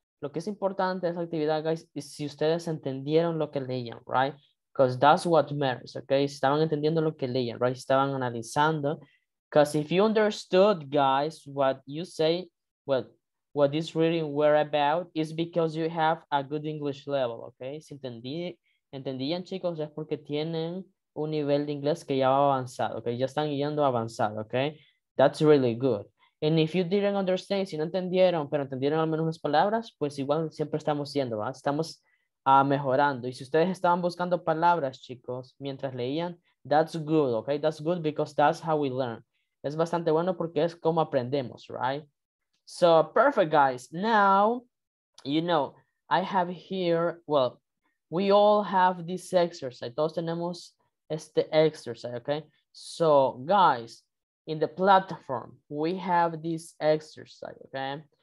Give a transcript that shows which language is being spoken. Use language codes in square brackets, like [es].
[es] Lo que es importante esa actividad, guys, is si ustedes entendieron lo que leían, right? [en] Because that's what matters, okay? [es] Estaban entendiendo lo que leían, [en] right? [es] Estaban analizando. [en] Because if you understood, guys, what you say, well, what this reading were about, is because you have a good English level, okay? [es] Si entendían, chicos, es porque tienen un nivel de inglés que ya va avanzado, okay? Ya están yendo avanzado, okay? [en] That's really good. And if you didn't understand, [es] si no entendieron, pero entendieron al menos unas palabras, pues igual siempre estamos yendo, ¿verdad? Estamos mejorando. Y si ustedes estaban buscando palabras, chicos, mientras leían, [en] that's good, [es] okay? [en] That's good because that's how we learn. [es] Es bastante bueno porque es como aprendemos, right? [en] So, perfect, guys. Now, you know, I have here, well, we all have this exercise. [es] Todos tenemos este exercise, [en] okay? So, guys, in the platform, we have this exercise, okay?